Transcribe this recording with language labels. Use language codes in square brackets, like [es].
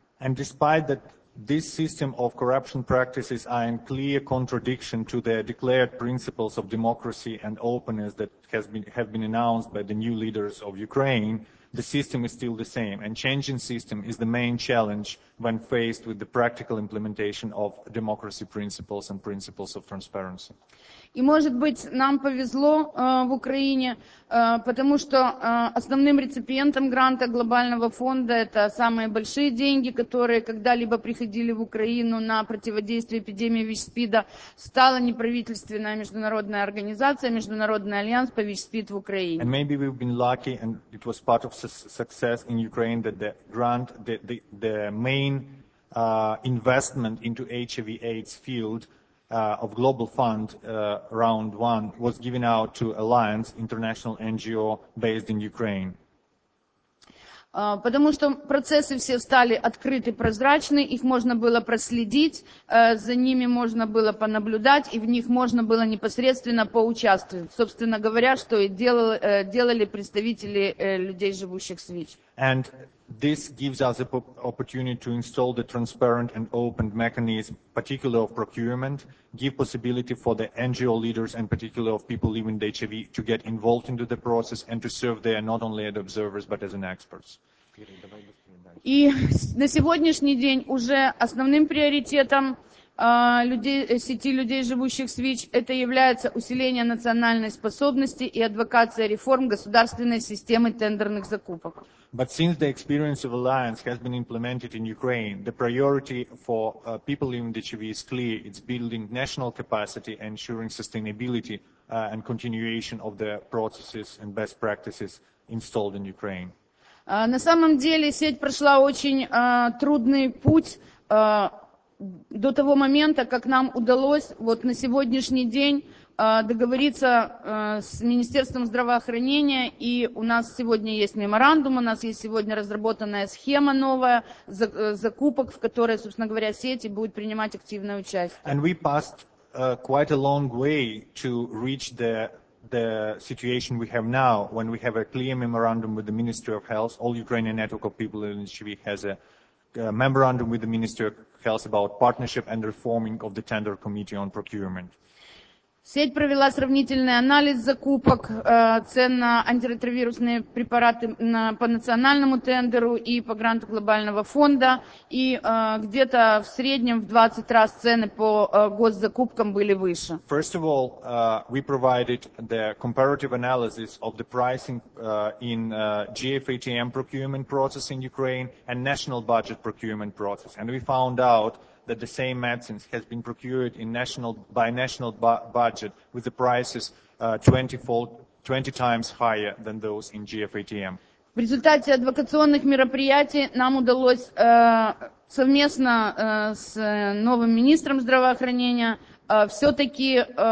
[en] And despite that this system of corruption practices are in clear contradiction to the declared principles of democracy and openness that have been announced by the new leaders of Ukraine, the system is still the same, and changing system is the main challenge when faced with the practical implementation of democracy principles and principles of transparency. [ru] И может быть нам повезло в Украине, потому что основным реципиентом гранта глобального фонда это самые большие деньги, которые когда-либо приходили в Украину на противодействие эпидемии ВИЧ-СПИДа, стала неправительственная международная организация Международный альянс по ВИЧ-СПИД в Украине. [en] And maybe we've been lucky, and it was part of success in Ukraine that the grant, the main investment into HIV/AIDS field. Of Global Fund round one was given out to Alliance International NGO based in Ukraine. [ru] Потому что процессы все стали открыты, прозрачны, их можно было проследить, за ними можно было понаблюдать, и в них можно было непосредственно поучаствовать. Собственно говоря, что и делали представители людей, живущих с ВИЧ. [en] And this gives us the opportunity to install the transparent and open mechanism, particularly of procurement, give possibility for the NGO leaders and particularly of people living with HIV to get involved into the process and to serve there not only as observers, but as an experts. [ru] И на сегодняшний день уже основным приоритетом сети людей, живущих с ВИЧ, это является усиление национальной способности и адвокация реформ государственной системы тендерных закупок. [en] But since the experience of Alliance has been implemented in Ukraine, the priority for people living with HIV is clear. It's building national capacity, ensuring sustainability and continuation of the processes and best practices installed in Ukraine. [ru] На самом деле сеть прошла очень трудный путь до того момента, как нам удалось вот на сегодняшний день договориться с Министерством здравоохранения, и у нас сегодня есть меморандум, у нас есть сегодня разработанная схема новая закупок, в которой, собственно говоря, сети будут принимать активное участие. [en] And we passed quite a long way to reach the situation we have now, when we have a clear memorandum with the Ministry of Health, all Ukrainian network of people in HIV has a memorandum with the Ministry of Health about partnership and reforming of the tender committee on procurement. [ru] Сеть провела сравнительный анализ закупок цен на антиретровирусные препараты по национальному тендеру и по гранту глобального фонда, и где-то в среднем в 20 раз цены по госзакупкам были выше. [en] First of all, we provided the comparative analysis of the pricing in GFATM procurement process in Ukraine and national budget procurement process, and we found out that the same medicines has been procured by national budget with the prices 20 times higher than those in GFATM. [ru] В результате адвокационных мероприятий нам удалось совместно с новым министром здравоохранения все-таки